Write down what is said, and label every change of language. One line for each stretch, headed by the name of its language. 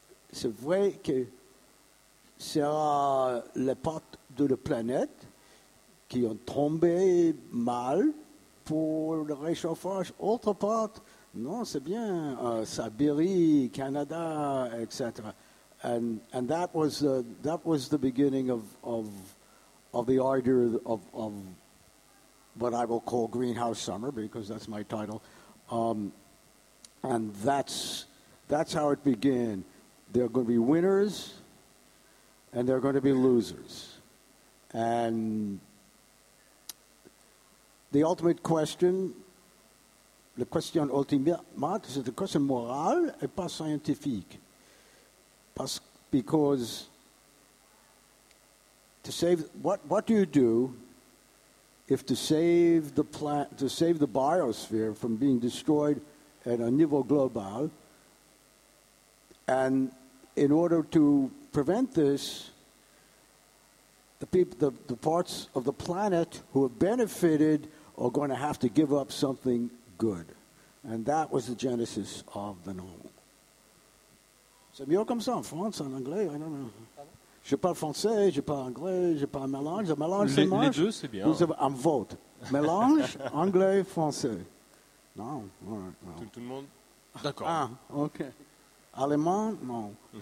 French: C'est vrai que c'est la partie de la planète qui ont tombé mal pour le réchauffage. Autre part, non, c'est bien, Sibérie, Canada, etc.
English: And that was the beginning of the ardor of what I will call Greenhouse Summer, because that's my title. And that's how it began. There are going to be winners, and there are going to be losers. And the ultimate question,
French: la question ultimate, c'est la question morale et pas scientifique.
English: Because to save, what do you do if to save the plant, to save the biosphere from being destroyed at a
French: niveau global,
English: and in order to prevent this, the parts of the planet who have benefited are going to have to give up something good, and that was the genesis of the novel.
French: C'est mieux comme ça en France, en anglais,
English: I don't know.
French: Je parle français, je parle anglais, je parle mélange. Le mélange, c'est bien. Les deux, c'est bien. Vous avez un vote. Mélange, anglais, français. Non.
English: Right, no.
French: Tout le monde. D'accord. Ah, OK. Allemand, non.